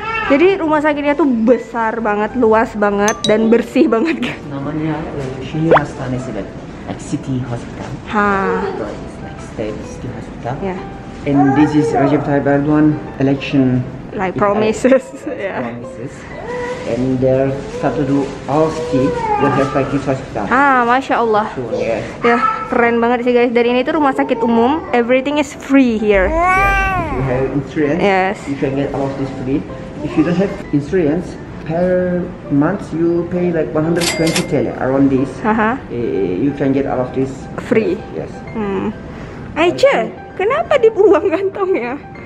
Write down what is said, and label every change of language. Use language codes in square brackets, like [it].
[id] Jadi rumah sakitnya tuh besar banget, luas banget, dan bersih banget. [en] Namanya Shinya Astane Sibet, like city hospital. Ha. So it's like state city hospital. Yeah. And this is Recep Tayyip Erdogan election. Like promises, yeah. Promises. And there start to do all state with health like this hospital. [ar] Ah, Masya Allah. [en] Sure, yes. [id] Yeah, keren banget sih guys. Dan ini tuh rumah sakit umum, [en] everything is free here. Yeah, if you have insurance, yes, you can get all of this free. If you don't have insurance, per month you pay like 120 TL around this. You can get all of this free. Yes. Hmm. [id] Aicha, kenapa dibuang kantongnya?